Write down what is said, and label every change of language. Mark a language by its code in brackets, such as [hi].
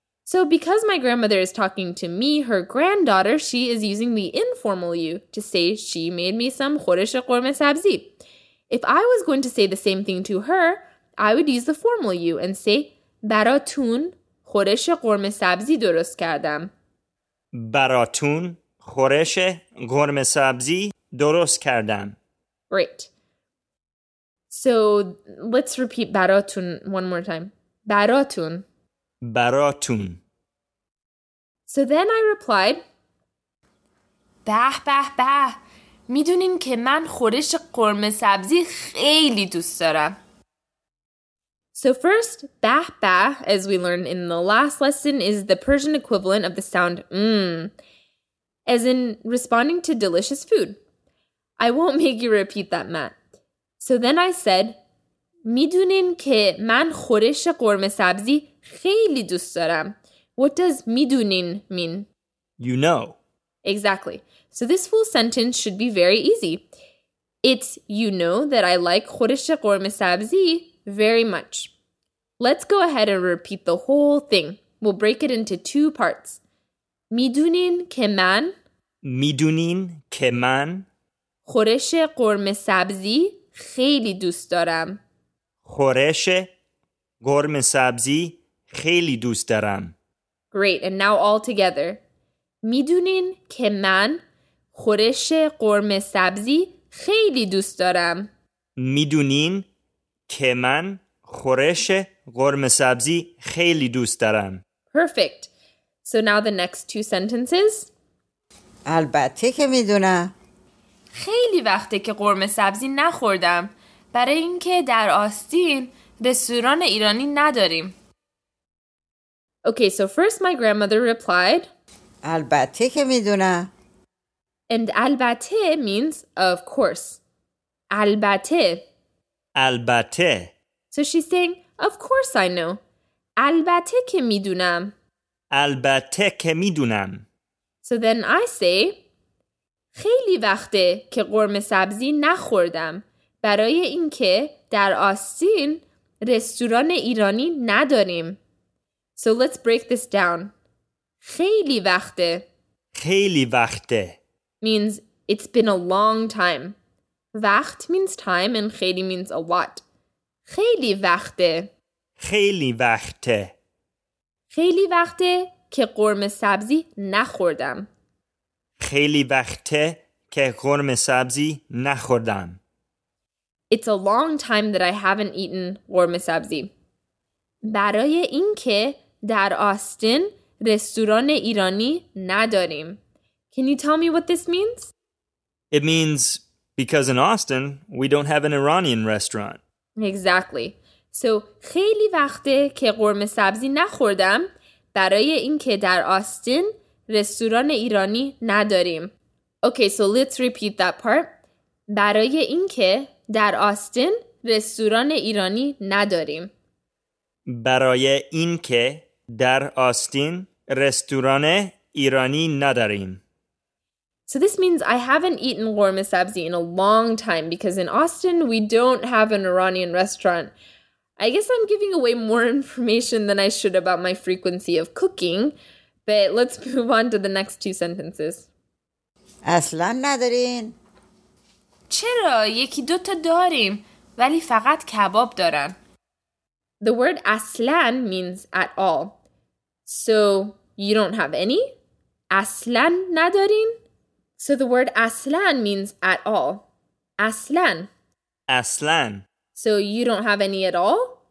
[en] So because my grandmother is talking to me, her granddaughter, she is using the informal you to say she made me some khoresh qorme sabzi. If I was going to say the same thing to her, I would use the formal you and say [fa] baratun khoresh qorme sabzi dorost kardam. براتون خورش قرم سبزی درست کردم. [en] Great. So let's repeat براتون one more time. [fa] براتون. براتون. [en] So then I replied, [fa] به به به. میدونین که من خورش قرم سبزی خیلی دوست دارم. [en] So first, bah bah, as we learned in the last lesson, is the Persian equivalent of the sound mmm, as in responding to delicious food. I won't make you repeat that, Matt. So then I said, [fa] میدونین که من خورش قرمه سبزی خیلی دوست دارم. [en] What does میدونین mean? You know. Exactly. So this full sentence should be very easy. It's, you know that I like خورش قرمه سبزی very much. Let's go ahead and repeat the whole thing. We'll break it into two parts. [fa] میدونین که من میدونین که من خورش قرمه سبزی خیلی دوست دارم. خورش قرمه سبزی خیلی دوست دارم. [en] Great, and now all together. [fa] میدونین که من خورش قرمه سبزی خیلی دوست دارم. میدونین که من خورش قرمه سبزی خیلی دوست دارم. [en] Perfect. So now the next two sentences. [fa] البته که میدونم. خیلی وقته که قرمه سبزی نخوردم. برای اینکه در آستین رستوران ایرانی نداریم. [en] Okay, so first my grandmother replied. [fa] البته که میدونم. [en] And البته means of course. [fa] البته. البته. [en] So she's saying, of course I know. [fa] البته که میدونم. البته که میدونم. [en] So then I say, [fa] خیلی وقته که قرمه سبزی نخوردم. برای اینکه در آستین رستوران ایرانی نداریم. [en] So let's break this down. [fa] خیلی وقته. خیلی وقته. [en] Means it's been a long time. وقت means time and خیلی means a lot. [fa] خیلی وقته. خیلی وقته. خیلی وقته که قرمه سبزی نخوردم. خیلی وقته که قرمه سبزی نخوردم. [en] It's a long time that I haven't eaten قرمه سبزی. [fa] برای اینکه در آستین رستوران ایرانی نداریم. [en] Can you tell me what this means? It means because in Austin we don't have an Iranian restaurant. Exactly. [fa] So خیلی وقته که قرمه سبزی نخوردم برای اینکه در آستین رستوران ایرانی نداریم. [en] Okay, so let's repeat that part. [fa] برای اینکه در آستین رستوران ایرانی نداریم. برای اینکه در آستین رستوران ایرانی نداریم. [en] So this means I haven't eaten قرمه سبزی in a long time because in Austin we don't have an Iranian restaurant. I guess I'm giving away more information than I should about my frequency of cooking, but let's move on to the next two sentences. [fa] اصلا ندارین؟ چرا؟ یکی دوتا داریم ولی فقط کباب دارن. [en] The word اصلا means at all. So you don't have any? [fa] اصلا ندارین؟ [en] So the word aslan means at all. [fa] Aslan. Aslan. [en] So you don't have any at all?